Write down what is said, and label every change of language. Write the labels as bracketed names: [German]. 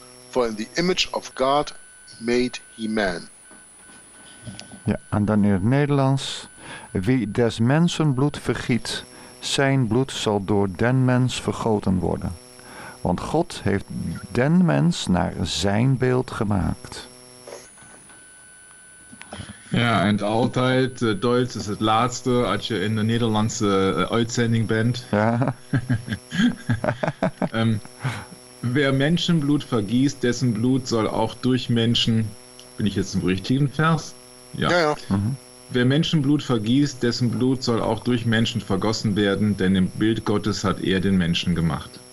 [English] For in the image of God made he man. [Dutch] Ja, en dan in het Nederlands. Wie des mensen bloed vergiet, zijn bloed zal door den mens vergoten worden. Want God heeft den mens naar zijn beeld gemaakt. Ja, en altijd, Duits is het laatste als je in de Nederlandse uitzending bent. Ja. [German] wer menschenbloed vergießt, dessen bloed zal auch durch Menschen... Bin ich jetzt im richtigen Vers? Ja, ja. Ja. Mhm. Wer Menschenblut vergießt, dessen Blut soll auch durch Menschen vergossen werden, denn im Bild Gottes hat er den Menschen gemacht.